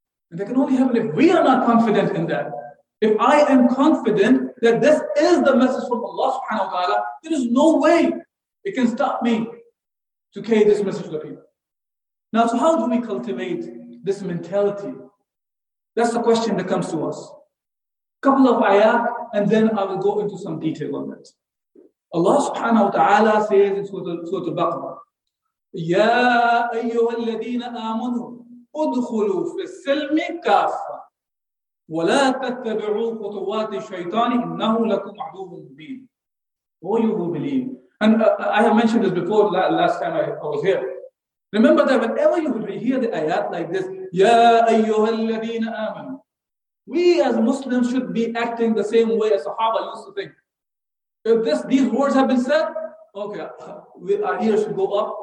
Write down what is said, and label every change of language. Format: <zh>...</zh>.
<en>And that can only happen if we are not confident in that. If I am confident that this is the message from Allah subhanahu wa ta'ala, there is no way it can stop me to carry this message to the people. Now, so how do we cultivate this mentality? That's the question that comes to us. Couple of ayah, and then I will go into some detail on that. Allah subhanahu wa ta'ala says in Surah Al-Baqarah,</en> <ar>يا أيها الذين آمنوا ادخلوا في السلم كافة ولا تتبعوا خطوات الشيطان إنه لكم عدو مبين.</ar> <en>Oh, you who believe. And I have mentioned this before, last time I was here. Remember that whenever you hear the ayat like this,</en> <ar>يَا أَيُّهَا الَّذِينَ آمَنُوا,</ar> <en>we as Muslims should be acting the same way as Sahaba used to think. If these words have been said, okay, our ears should go up.</en>